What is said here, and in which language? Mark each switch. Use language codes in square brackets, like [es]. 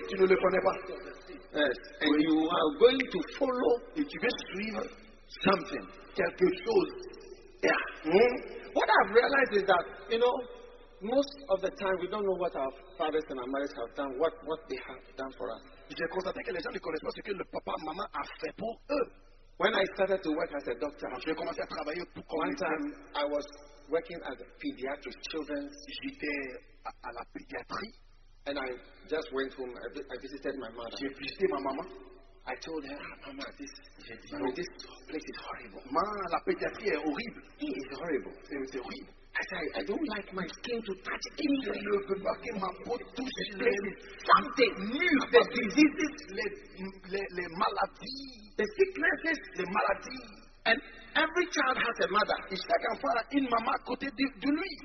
[fr] Tu ne le connais pas. [en] Yes. And you are going to follow if you just dream something. [fr] Quelque chose. [en] Yeah. Mm-hmm. What I've realized is that, you know, most of the time we don't know what our fathers and our mothers have done, what they have done for us. [fr] J'ai constaté que les gens ne connaissent pas ce que le papa maman a fait pour eux. [en] When I started to work as a doctor, [fr] j'ai commencé à travailler pour [en] one time I was working at the pediatric children's. [fr] J'étais à la pédiatrie. [en] And I just went home. I visited my mother. [fr] J'ai visité ma maman. [en] I told her, Mama, this place is horrible. [fr] Ma, la pédiatrie est horrible. [en] It is horrible. [fr] C'est horrible. [en] I said, I don't like my skin to touch anything. [fr] Je ne veux pas que ma peau touche [en] something [fr] mûr. [en] The diseases, [fr] les maladies. [en] The sicknesses, [fr] les maladies. [en] And every child has a mother. [fr] Et chaque enfant a une maman à côté de lui.